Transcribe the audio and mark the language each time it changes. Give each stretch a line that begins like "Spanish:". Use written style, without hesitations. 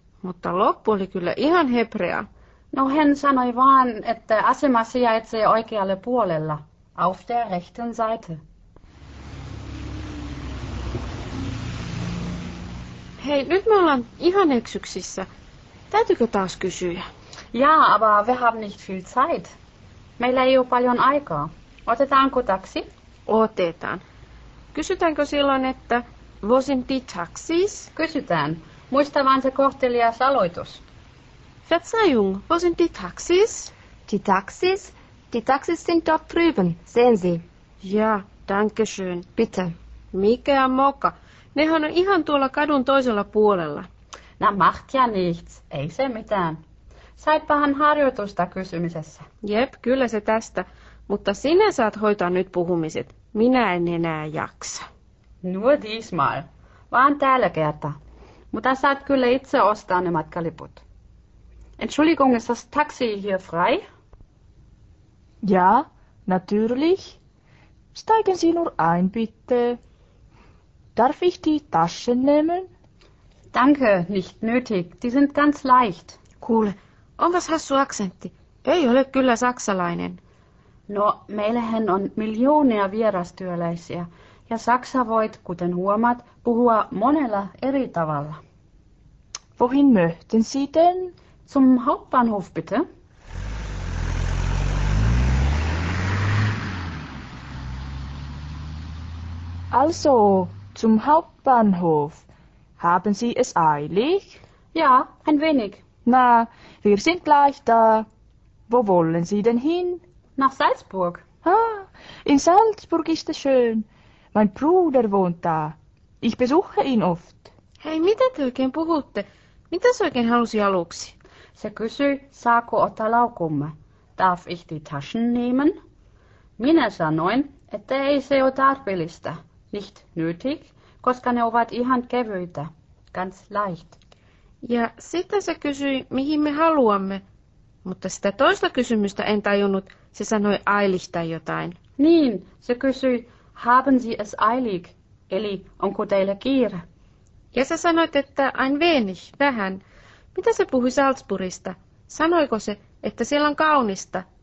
Finnish: Mutta loppu oli kyllä ihan hebrea. No hän sanoi vaan, että asema sijaitsee oikealle puolella,
German: auf der rechten Seite.
Finnish: Hei, nyt me ollaan ihan eksyksissä. Täytyykö taas kysyä?
German: Jaa, aber wir haben nicht viel Zeit.
Finnish: Meillä ei ole paljon aikaa. Otetaanko taksi? Otetaan. Kysytäänkö silloin, että voisin
German: die taxis?
Finnish: Kysytään. Muista vaan se kohtelias aloitus.
German: Verzeihung, voisin die taxis? Die taxis? Die taxis sind dort drüben, sehen Sie. Jaa, danke schön. Bitte.
Finnish: Mikä moka. Nehän on ihan tuolla kadun toisella puolella.
German: Na macht ja nichts,
Finnish: ei se mitään. Saitpahan harjoitusta kysymisessä. Jep, kyllä se tästä. Mutta sinä saat hoitaa nyt puhumiset. Minä en enää jaksa.
German: Nur diesmal.
Finnish: Vaan tällä kertaa. Mutta saat kyllä itse ostaa ne matkaliput.
German: Entschuldigung, ist das Taxi hier frei? Ja, natürlich. Steigen Sie nur ein, bitte. Darf ich die Taschen nehmen? Danke, nicht nötig. Die sind ganz leicht.
Finnish: Cool. Onpas hassu aksentti. Ei ole kyllä saksalainen. No, meillähän on miljoonia vierastyöläisiä. Ja saksa voit, kuten huomaat, puhua monella eri tavalla.
German: Wohin möchten Sie denn? Zum Hauptbahnhof, bitte. Also, zum Hauptbahnhof. Haben Sie es eilig? Ja, ein wenig. Na, wir sind gleich da. Wo wollen Sie denn hin? Nach Salzburg. Ah, in Salzburg ist es schön. Mein Bruder wohnt da. Ich besuche ihn oft.
Finnish: Hei, mitä te oikein puhutte? Mitä se oikein halusi aluksi? Se kysyi, saako ottaa laukumme.
German: Darf ich die Taschen nehmen?
Finnish: Minä sanoin, että ei se ole tarpeellista.
German: Nicht nötig,
Finnish: koska ne ovat ihan kevyitä.
German: Ganz leicht.
Finnish: Ja sitten se kysyi, mihin me haluamme. Mutta sitä toista kysymystä en tajunnut. Se sanoi eilig tai jotain. Niin, se kysyi,
German: haben Sie es eilig?
Finnish: Eli, onko teillä kiire? Ja sä sanoit, että
German: ein wenig,
Finnish: vähän. Mitä se puhui Salzburgista? Sanoiko se, että siellä on kaunista?